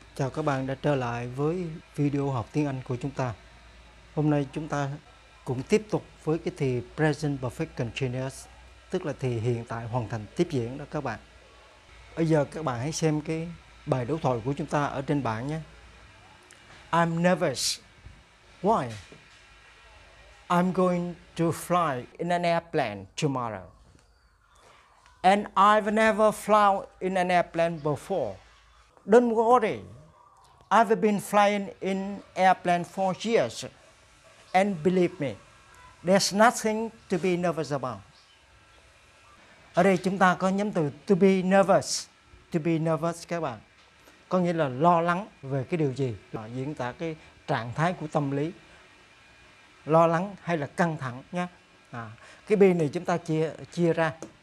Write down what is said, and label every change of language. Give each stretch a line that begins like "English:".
Vietnamese: Chào các bạn đã trở lại với video học tiếng Anh của chúng ta. Hôm nay chúng ta cũng tiếp tục với cái thì Present Perfect Continuous, tức là thì hiện tại hoàn thành tiếp diễn đó các bạn. Bây giờ các bạn hãy xem cái bài đối thoại của chúng ta ở trên bảng nhé.
English: I'm nervous. Why? I'm going to fly in an airplane tomorrow. And I've never flown in an airplane before. Don't worry. I've been flying in airplane for years. And believe me, there's nothing to be nervous about.
Vietnamese: Ở đây chúng ta có nhóm từ to be nervous. To be nervous các bạn. Có nghĩa là lo lắng về cái điều gì. Diễn tả cái trạng thái của tâm lý. Lo lắng hay là căng thẳng nhé. Cái be này chúng ta chia ra.